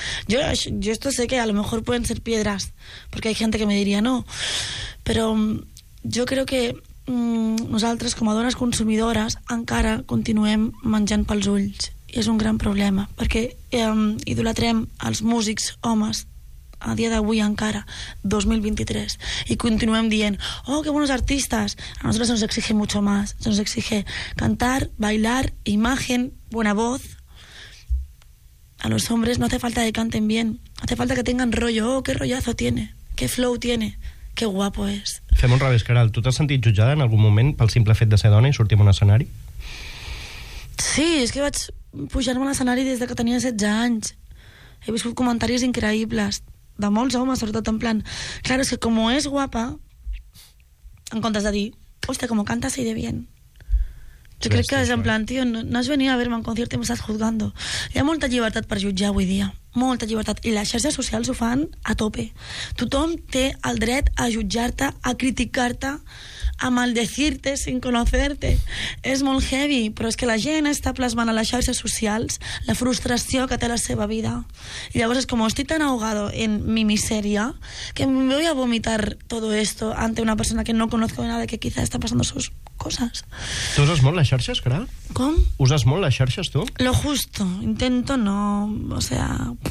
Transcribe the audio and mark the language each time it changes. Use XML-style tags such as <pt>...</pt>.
<es>Jo esto sé que a lo mejor pueden ser piedras, porque hay gente que me diría no, pero yo creo que</es> <ca>nosaltres, com a dones consumidores, encara continuem menjant pels ulls. I és un gran problema, perquè idolatrem els músics homes a dia d'avui encara, 2023, i continuem dient, oh, que bons artistes, a nosaltres</ca> <es>se'ns exige mucho más, se'ns exige cantar, bailar, imagen, buena voz. A los hombres no hace falta que canten bien, hace falta que tengan rollo, oh, qué rollazo tiene, qué flow tiene, qué guapo es.</es> <ca>Fem un revés, Caral, tu t'has sentit jutjada en algun moment pel simple fet de ser dona i sortir en un escenari? Sí, és que vaig pujar-me a l'escenari des de que tenia 16 anys. He viscut comentaris increïbles de molts homes, sobretot en plan, claro, és que com és guapa, en comptes de dir, hostia,</ca> <es>como cantas y de bien.</es> <ca>Jo crec que és</ca> <es>en plan, tío, no has venido a verme en concierto y me estás juzgando.</es> <ca>Hi ha molta llibertat per jutjar avui dia, molta llibertat, i les xarxes socials ho fan a tope. Tothom té el dret a jutjar-te, a criticar-te, a maldecir-te sin conocer-te. És molt heavy, però és que la gent està plasmant a les xarxes socials la frustració que té la seva vida. I llavors és com, estic tan</ca> <es>ahogado en mi miseria que me voy a vomitar todo esto ante una persona que no conozco de nada, que quizá está pasando sus cosas.</es> <ca>Tu uses molt les xarxes, Caral? Com? Uses molt les xarxes, tu?</ca> <es>Lo justo. Intento no... O sea...</es>